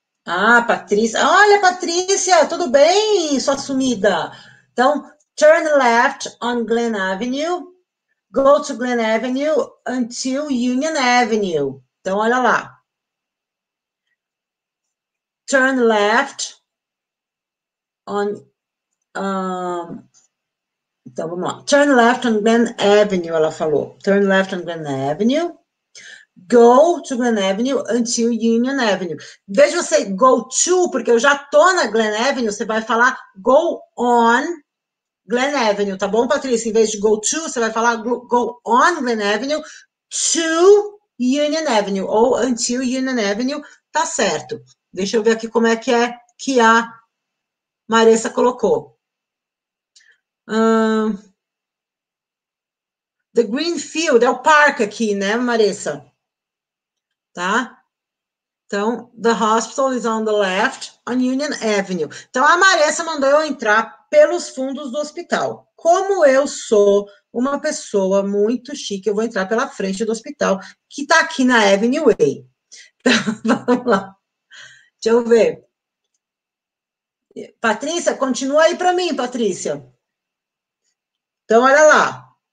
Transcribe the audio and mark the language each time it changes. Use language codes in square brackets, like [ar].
[pt] Ah, Patrícia. Olha, Patrícia, tudo bem, sua sumida? [en] Então, turn left on Glen Avenue. Go to Glen Avenue until Union Avenue. [pt] Então, olha lá. [en] Turn left on. [pt] Então vamos lá. [en] Turn left on Glen Avenue, [pt] ela falou. [en] Turn left on Glen Avenue. Go to Glen Avenue until Union Avenue. [pt] Veja você, [en] go to, [pt] porque eu já tô na Glen Avenue, você vai falar [en] go on Glen Avenue, [pt] tá bom, Patrícia? Em vez de [en] go to, [pt] você vai falar [en] go on Glen Avenue to Union Avenue, [pt] ou [en] until Union Avenue, [pt] tá certo. Deixa eu ver aqui como é que a Maressa colocou. The Green Field é o parque aqui, né, Maressa? Tá? [en] Então, the hospital is on the left on Union Avenue. [pt] Então, a Maressa mandou eu entrar pelos fundos do hospital. Como eu sou uma pessoa muito chique, eu vou entrar pela frente do hospital, que tá aqui na Avenue A. Então, vamos lá. Deixa eu ver. Patrícia, continua aí para mim, Patrícia. Então, olha lá.